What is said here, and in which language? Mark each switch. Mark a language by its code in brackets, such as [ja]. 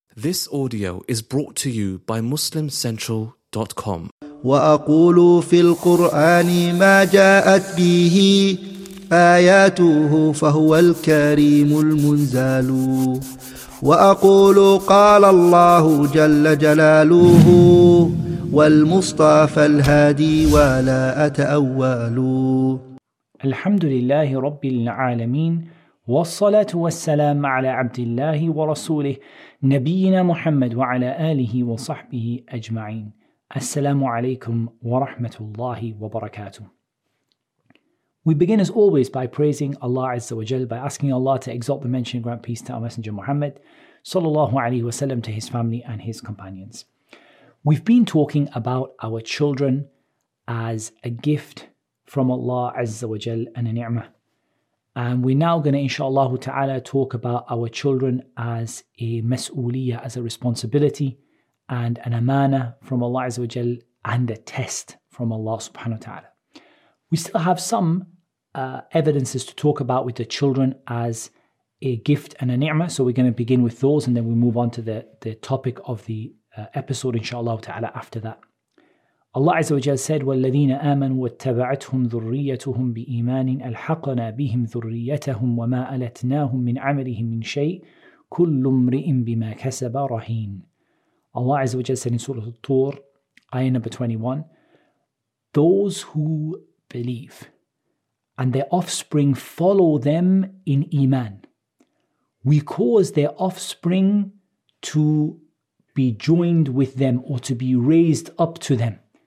[en] This audio is brought to you by MuslimCentral.com. [ar] وأقول في القرآن ما جاءت به آياته فهو الكريم المنزال. وأقول قال الله جل جلاله والمصطفى الهادي ولا أتأول. الحمد لله رب العالمين والصلاة والسلام على عبد الله ورسوله نبينا محمد وعلى آله وصحبه أجمعين. السلام عليكم ورحمة الله وبركاته. [en] We begin as always by praising Allah Azza wa Jal, by asking Allah to exalt the mention and grant peace to our Messenger Muhammad sallallahu alayhi wa sallam, to his family and his companions. We've been talking about our children as a gift from Allah Azza wa Jal and a ni'mah. And we're now going to, inshallah ta'ala, talk about our children as a mas'uliyah, as a responsibility, and an amana from Allah Azza wa Jal, and a test from Allah subhanahu wa ta'ala. We still have some evidences to talk about with the children as a gift and a ni'mah. So we're going to begin with those, and then we'll move on to the topic of the episode, inshallah ta'ala, after that. [ar] Allah Azza wa Jal said, وَالَّذِينَ آمَنُوا وَاتَّبَعَتْهُمْ ذُرِّيَّتُهُمْ بِإِيمَانٍ أَلْحَقَنَا بِهِمْ ذُرِّيَّتَهُمْ وَمَا أَلَتْنَاهُمْ مِنْ عَمَلِهِمْ مِنْ شَيْءٍ كُلُّ امْرِئٍ بِمَا كَسَبَ رَهِينٌ. [en] Allah Azza wa Jal said in Surah Al-Tur, ayah number 21, those who believe and their offspring follow them in iman, we cause their offspring to be joined with them or to be raised up to them.